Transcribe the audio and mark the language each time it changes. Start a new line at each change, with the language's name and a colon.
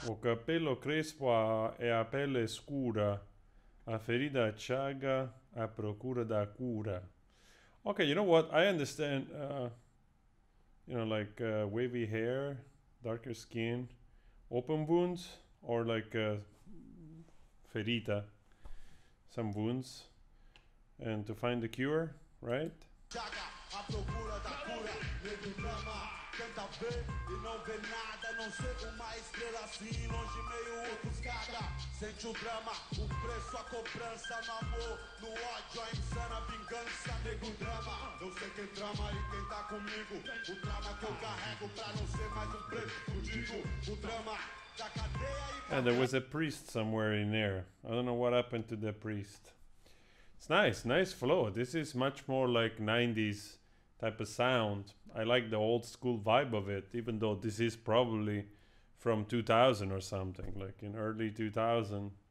Portuguese: O cabelo crespo é a pele escura, a ferida chaga, a procura da cura.
English: Okay, you know what? I understand, you know, like wavy hair, darker skin, open wounds, or like ferita, some wounds, and to find the cure, right?
Portuguese: A procura da cura, negro drama. Tenta ver e não vê nada. Não sei uma estrela assim, longe meio ofuscada. Sente o drama, o preço, a cobrança. No amor, no ódio, a insana vingança. Negro drama, eu sei quem drama e quem tá comigo. O drama que eu carrego pra não ser mais preto fudido. O drama da cadeia e...
English: And there was a priest somewhere in there. I don't know what happened to the priest. It's nice, nice flow. This is much more like 90s type of sound. I like the old school vibe of it, even though this is probably from 2000 or something, like in early 2000.